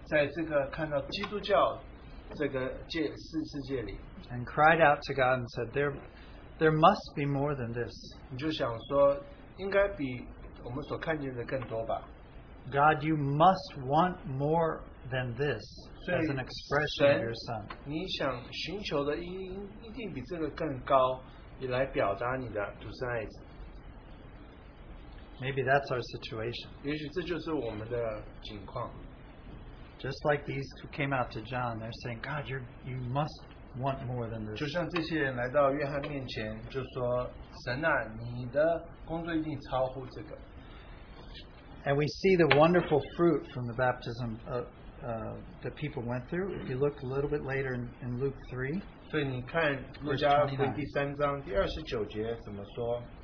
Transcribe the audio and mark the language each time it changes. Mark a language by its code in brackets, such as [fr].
[zh] 所以你有没有就是想过在这个看到基督教 这个世界里, [en] and cried out to God and said, there must be more than this. [zh] 你就想说, [en] God, you must want more than this as an expression of your Son. [zh] 你想寻求的一定比这个更高, [en] maybe that's our situation. Just like these who came out to John, they're saying, God, you must want more than this. [zh] 就像这些人来到约翰面前就说, 神啊, 你的工作一定超乎这个。 [en] And we see the wonderful fruit from the baptism that people went through. If you look a little bit later in Luke 3, [zh] 所以你看路加福音第三章第二十九节怎么说？